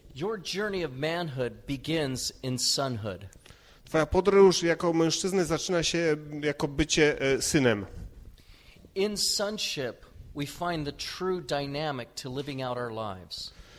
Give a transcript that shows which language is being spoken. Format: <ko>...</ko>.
<en>Your journey of manhood begins in sonhood.</en> <pl>Twoja podróż jako mężczyzny zaczyna się jako bycie synem.</pl> <en>In sonship we find the true dynamic to living out our lives.</en>